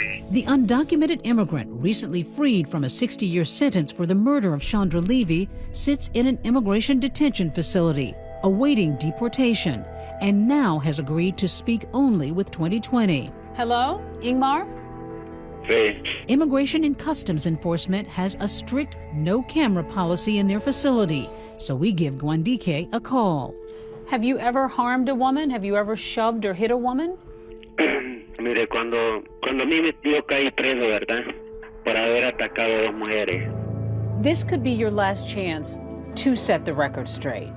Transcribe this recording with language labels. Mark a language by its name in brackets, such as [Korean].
[English] The undocumented immigrant, recently freed from a 60-year sentence for the murder of Chandra Levy, sits in an immigration detention facility, awaiting deportation, and now has agreed to speak only with 2020. Hello, Ingmar? Hey. Immigration and Customs Enforcement has a strict no-camera policy in their facility, so we give Guandique a call. Have you ever harmed a woman? Have you ever shoved or hit a woman? [Spanish] Mire, cuando a mí me dio caí preso, ¿verdad? Por haber atacado a dos mujeres. [English] This could be your last chance to set the record straight.